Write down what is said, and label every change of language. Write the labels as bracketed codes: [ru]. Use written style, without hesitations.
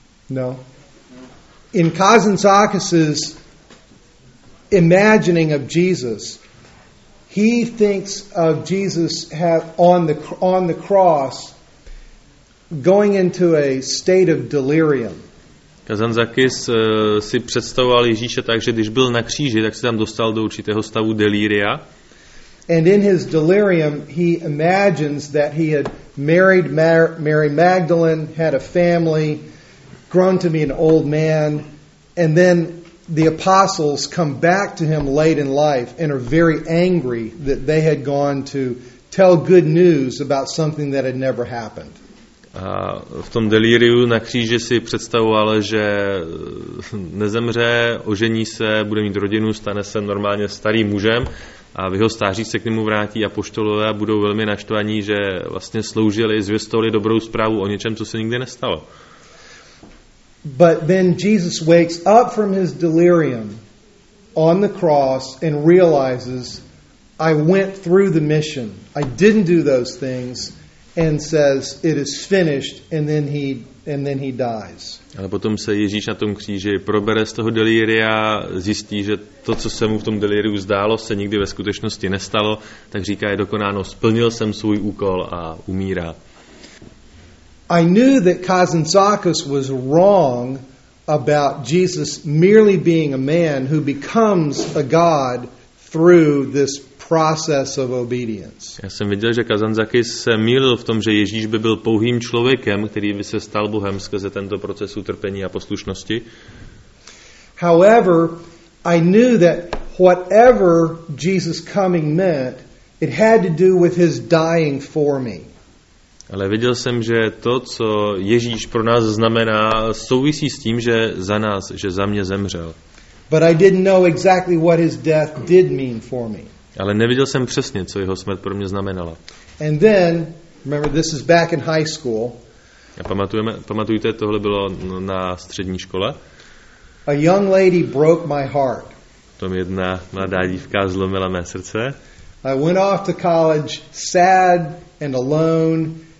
[en] No. In Kazantzakis's imagining of Jesus, he thinks of Jesus on the cross going into a state of delirium. [cs] Kazantzakis si představoval Ježíše tak, že když byl na kříži, tak se tam dostal do určitého stavu delíria. [en] And in his delirium he imagines that he had married Mary Magdalene, had a family, grown to be an old man, and then the apostles come back to him late in life and are very angry that they had gone to tell good news about something that had never happened. [cs] A v tom delíriu na kříži si představoval, že nezemře, ožení se, bude mít rodinu, stane se normálně starým mužem a v jeho stáří se k němu vrátí apoštolové a budou velmi naštvaní, že vlastně sloužili, zvěstovali dobrou zprávu o něčem, co se nikdy nestalo. [en] But then Jesus wakes up from his delirium on the cross and realizes I went through the mission. I didn't do those things and says it is finished and then he dies. [cs] Ale potom se Ježíš na tom kříži probere z toho delíria, zjistí, že to, co se mu v tom delíriu zdálo, se nikdy ve skutečnosti nestalo, tak říká je dokonáno, splnil jsem svůj úkol a umírá. [en] I knew that Kazantzakis was wrong about Jesus merely being a man who becomes a god through this process of obedience. [cs] Já jsem viděl, že Kazantzakis se mýlil v tom, že Ježíš by byl pouhým člověkem, který by se stal Bohem skrze tento proces utrpení a poslušnosti. [en] However, I knew that whatever Jesus coming meant, it had to do with his dying for me. [cs] Ale viděl jsem, že to, co Ježíš pro nás znamená, souvisí s tím, že za nás, že za mě zemřel. [en] But I didn't know exactly what his death did mean for me. [cs] Ale neviděl jsem přesně, co jeho smrt pro mě znamenala. [en] And then, remember, this is back in high school. [cs] A pamatujte, tohle bylo na střední škole. [en] A young lady broke my heart. [cs] Tam jedna mladá dívka zlomila mé srdce. [en] I went off to college sad and alone.